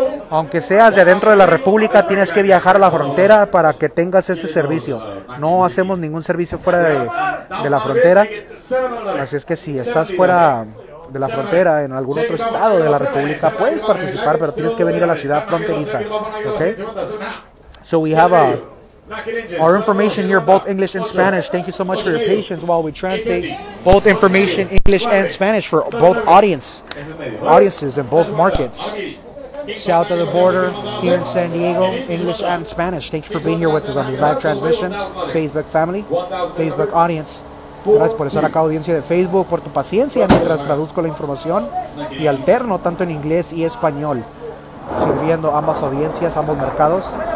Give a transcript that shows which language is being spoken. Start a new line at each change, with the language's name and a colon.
Spanish: Aunque seas de adentro de la República, tienes que viajar a la frontera para que tengas ese servicio. No hacemos ningún servicio fuera de la frontera. Así es que si estás fuera de la frontera, en algún otro estado de la República, puedes participar, pero tienes que venir a la ciudad fronteriza. Ok.
English: So we have our information here, both English and Spanish. Thank you so much for your patience while we translate both information, English and Spanish, for both audiences in both markets. South of the border, here in San Diego, English and Spanish. Thank you for being here with us on the live transmission. Facebook family, Facebook audience.
Spanish: Gracias por estar acá, audiencia de Facebook, por tu paciencia mientras traduzco la información y alterno tanto en inglés y español, sirviendo ambas audiencias, ambos mercados.